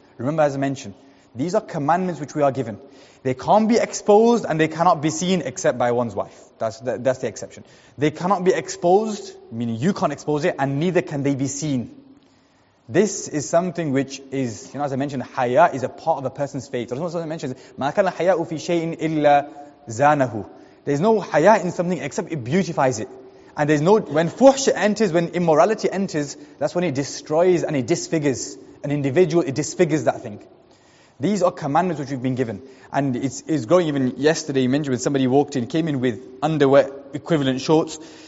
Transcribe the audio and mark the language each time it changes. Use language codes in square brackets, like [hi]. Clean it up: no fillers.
[en] Remember, as I mentioned, these are commandments which we are given. They can't be exposed and they cannot be seen except by one's wife. That's the exception. They cannot be exposed, meaning you can't expose it, and neither can they be seen. This is something which is, you know, as I mentioned, haya is a part of a person's faith. Rasulullah mentions, [ar] مَا كَانَ الْحَيَاءُ فِي شَيْءٍ إِلَّا زَانَهُ. [en] There's no haya in something except it beautifies it. And there's no, when fuhsh enters, when immorality enters, that's when it destroys and it disfigures an individual, it disfigures that thing. These are commandments which we've been given. And it's growing. Even yesterday, you mentioned when somebody walked in, came in with underwear equivalent shorts.